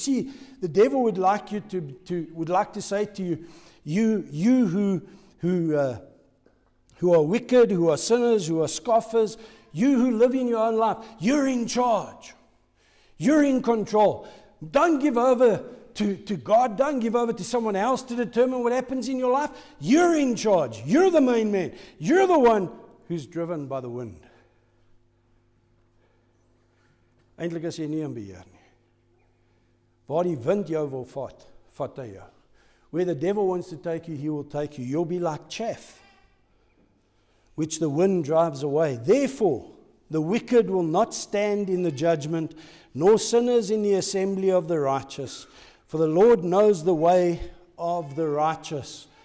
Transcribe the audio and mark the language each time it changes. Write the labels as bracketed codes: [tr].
[en] You see, the devil would like you to say to you, you who are wicked, who are sinners, who are scoffers, you who live in your own life, you're in charge, you're in control. Don't give over to God. Don't give over to someone else to determine what happens in your life. You're in charge. You're the main man. You're the one who's driven by the wind. [af] Eintlik is jy nie in beheer nie. Waar die wind jou wil vat, vat hy jou. [en] Where the devil wants to take you, he will take you. You'll be like chaff, which the wind drives away. Therefore, the wicked will not stand in the judgment, nor sinners in the assembly of the righteous. For the Lord knows the way of the righteous.